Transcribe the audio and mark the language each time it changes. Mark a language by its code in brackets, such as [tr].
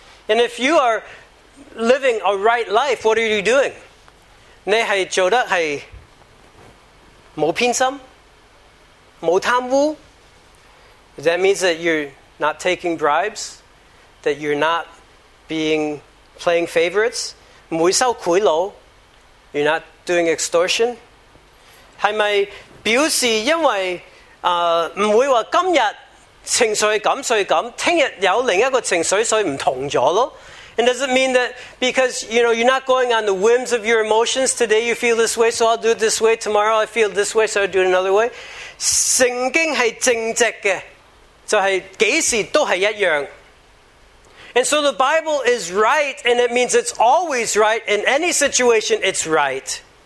[en] And if you are living a right life, what are you doing? [zh] 你是做得是没偏心,没贪污 [en] That means that you're not taking bribes That you're not playing favorites [zh] 不会收贿赂 [en] You're not doing extortion [zh] 是不是表示因为 不会说今天情绪是这样,所以这样,明天有另一个情绪,所以不同了 [en] And does it mean that because you know, you're not going on the whims of your emotions, today you feel this way, so I'll do it this way, tomorrow I feel this way, so I'll do it another way? [zh] 圣经是正直的,就是几时都是一样 [en] And so the Bible is right, and it means it's always right, in any situation it's right